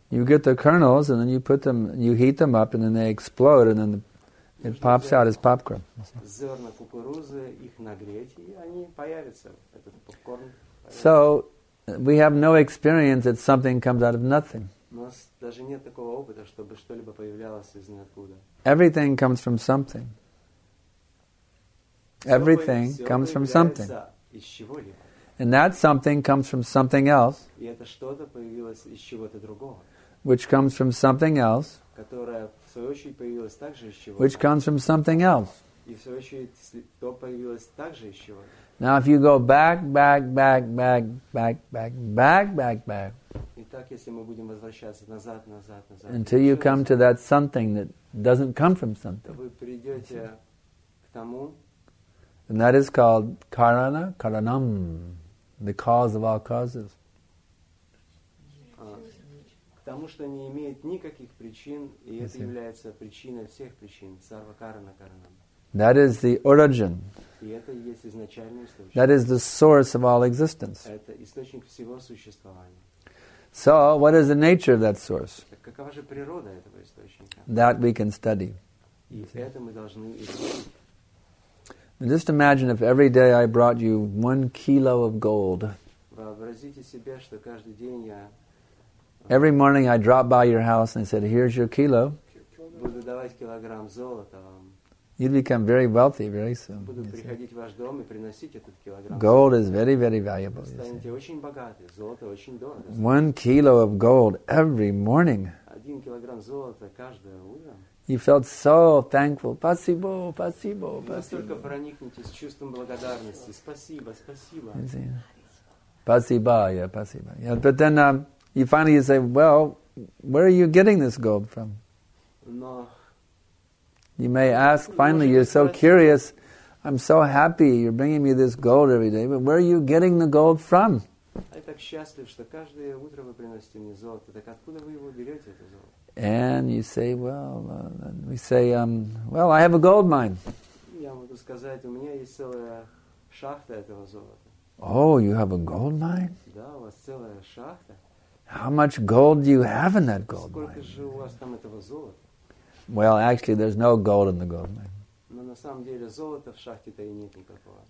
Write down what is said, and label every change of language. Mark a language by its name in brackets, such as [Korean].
[English] You get the kernels and then you put them, you heat them up and then they explode and then it pops out as popcorn. [Russian] Зерна кукурузы, их нагреть, и они появятся, этот попкорн. [English] So, we have no experience that something comes out of nothing. [Russian] У нас даже нет такого опыта, чтобы что-либо появлялось из ниоткуда. [English] Everything comes from something. Everything comes from something. [Russian] Из чего-либо. [English] And that something comes from something else. [Russian] И это что-то появилось из чего-то другого. [English] Which comes from something else. [Russian] Которое в свою очередь появилось также из чего-то. [English] Which comes from something else. [Russian] И в свою очередь то появилось также из чего-то. [English] Now if you go back. [Russian] Итак, если мы будем возвращаться назад. [English] Until you come to that something that doesn't come from something. [Russian] Вы придете к тому. [English] And that is called karana, karanam, the cause of all causes. [Russian] К тому, что не имеет никаких причин, и это является причиной всех причин, сарва карана каранам. [English] That is the origin. [Russian] И это есть изначальный источник. [English] That is the source of all existence. [Russian] Это источник всего существования. [English] So, what is the nature of that source? [Russian] Какова же природа этого источника? [English] That we can study. [Russian] И это мы должны изучить. [English] Just imagine if every day I brought you 1 kilo of gold. [Russian] Вообразите себе, что каждый день я. [English] Every morning I drop by your house and I said, "Here's your kilo." [Russian] Буду давать килограмм золота вам. [English] You'd become very wealthy very soon. [Russian] Буду приходить в ваш дом и приносить этот килограмм. [English] Gold is very, very valuable. [Russian] Станете очень богаты. Золото очень дорого. [English] 1 kilo of gold every morning. [Russian] 1 килограмм золота каждое утро. [English] You felt so thankful. [Russian] Спасибо, спасибо, спасибо. Настолько проникнитесь чувством благодарности. Спасибо, спасибо. Спасибо, yeah, спасибо. [English] Yeah, but then you finally say, well, where are you getting this gold from? No. You may ask, finally, you're so curious. I'm so happy you're bringing me this gold every day. But where are you getting the gold from? [Russian] Я так счастлив, что каждое утро вы приносите мне золото. Так откуда вы его берете, это золото? [English] And you say, well, we say, well, I have a gold mine. [Russian] Я могу сказать, у меня есть целая шахта этого золота. [English] Oh, you have a gold mine? [Russian] Да, у вас целая шахта. [English] How much gold do you have in that gold [Russian] Сколько Сколько же у вас там этого золота? [English] Well, actually, there's no gold in the gold mine. [Russian] Но на самом деле золота в шахте-то и нет никакого.